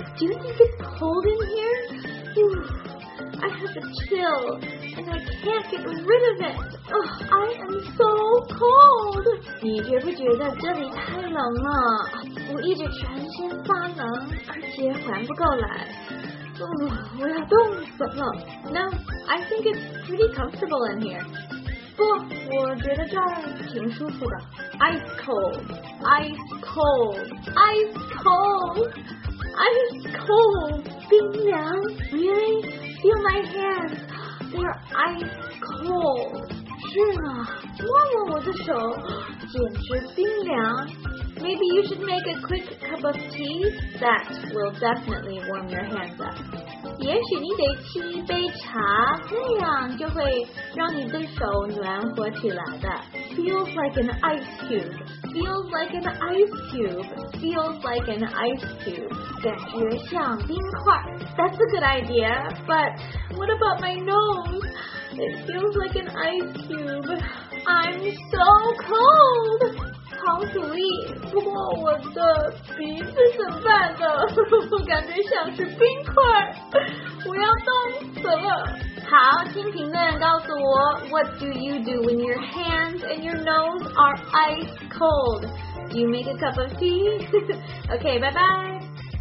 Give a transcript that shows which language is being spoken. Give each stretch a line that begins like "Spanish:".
English: Do you think it's cold in here? Ooh, I have a chill, and I can't get rid of it. Ugh, I am so cold.
Chinese: 你觉不觉得这里太冷了？我一直全身发冷，而且缓不过来。 Ooh, 我要冻死了。
English: No, I think it's pretty comfortable in here.
Chinese: 不，我觉得这儿挺舒服的。
English: Ice cold, ice cold, ice cold, ice cold.
Chinese: 冰凉。
English: Really? Feel my hands. They're ice cold.
Chinese: 是啊，摸摸我的手，简直冰凉。
English: Maybe you should make a quick cup of tea. That will definitely warm your hands up.
Chinese: 也许你得沏一杯茶，那样就会让你的手暖和起来的。
English: Feels like an ice cube. Feels like an ice cube. Feels like an ice cube.
Chinese: 感觉像冰块。
English: That's a good idea. But what about my nose? It feels like an ice cube. I'm so cold.
Chinese: 好主意，不过我的鼻子怎么办呢？我感觉像是冰块，我要冻死了。好，请评论告诉我 ，
English: What do you do when your hands and your nose are ice cold? Do you make a cup of tea? Okay, bye bye.